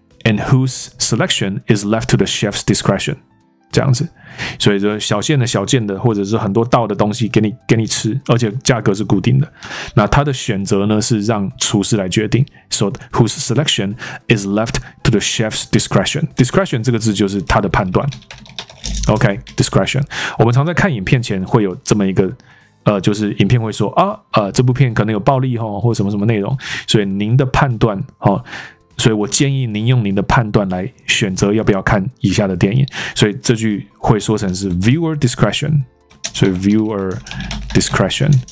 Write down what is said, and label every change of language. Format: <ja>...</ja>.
<en>and whose selection is left to the chef's discretion.</en> <zh>这样子，所以说小件的小件的，或者是很多道的东西给你吃，而且价格是固定的。那他的选择呢是让厨师来决定。</zh> <en>So whose selection is left to the chef's discretion.</en> <zh>Discretion 这个字就是他的判断。</zh> <en>OK, discretion.</en> <zh>我们常在看影片前会有这么一个。就是影片会说啊，这部片可能有暴力齁，或什么什么内容，所以您的判断齁，所以我建议您用您的判断来选择要不要看以下的电影，所以这句会说成是 viewer discretion， 所以 viewer discretion</zh>